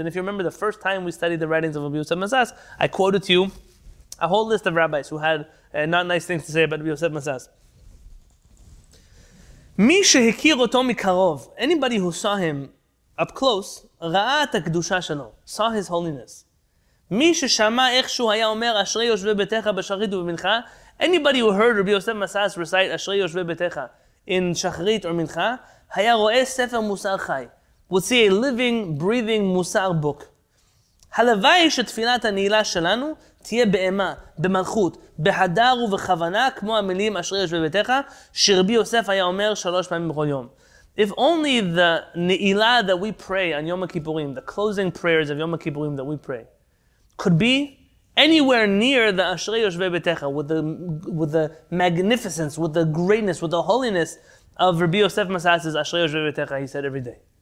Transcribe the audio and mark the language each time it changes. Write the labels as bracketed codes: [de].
[en] And if you remember the first time we studied the writings of Rabbi Yosef Masas, I quoted to you a whole list of rabbis who had not nice things to say about Rabbi Yosef Masas. [he] Mi shehekir oto mikarov. [en] Anybody who saw him up close, [he] ra'a at hakedusha shelo, [en] saw his holiness. [he] מי ששמע איכשהו היה אומר אשרי יושבי ביתך בשחרית ובמנחה, [en] anybody who heard Rabbi Yosef Masas recite [he] אשרי יושבי ביתך in שחרית or מנחה, היה רואה ספר מוסר חי, [en] would see a living, breathing [he] מוסר book. הלוואי שתפילת הנעילה שלנו תהיה באמה, במלכות, בהדר ובכוונה כמו המילים אשרי יושבי ביתך, שרבי יוסף היה אומר שלוש פעמים בכל יום. [en] If only the נעילה that we pray on Yom הכיפורים, the closing prayers of Yom הכיפורים that we pray, could be anywhere near the Ashrei Yoshvei Betecha, with the magnificence, with the greatness, with the holiness of Rabbi Yosef Masas' Ashrei Yoshvei Betecha, he said every day.